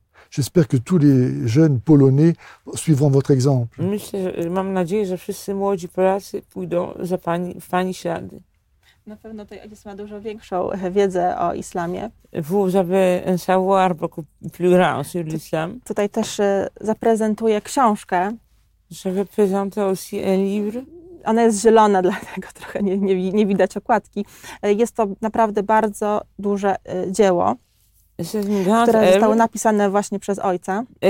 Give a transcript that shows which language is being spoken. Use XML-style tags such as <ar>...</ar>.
<fr>J'espère que tous les jeunes polonais suivront votre exemple.</fr> <pl>Myślę, że, mam nadzieję, że wszyscy młodzi Polacy pójdą za pani, w pani ślady. Na pewno tutaj Agnieszka ma dużo większą wiedzę o islamie.</pl> <fr>Vous avez un savoir beaucoup plus grand sur l'islam.</fr> <pl>Tutaj też zaprezentuję książkę.</pl> <fr>Je vais présenter aussi un livre.</fr> <pl>Ona jest zielona, dlatego trochę nie widać okładki. Jest to naprawdę bardzo duże dzieło, które zostało napisane właśnie przez ojca.</pl>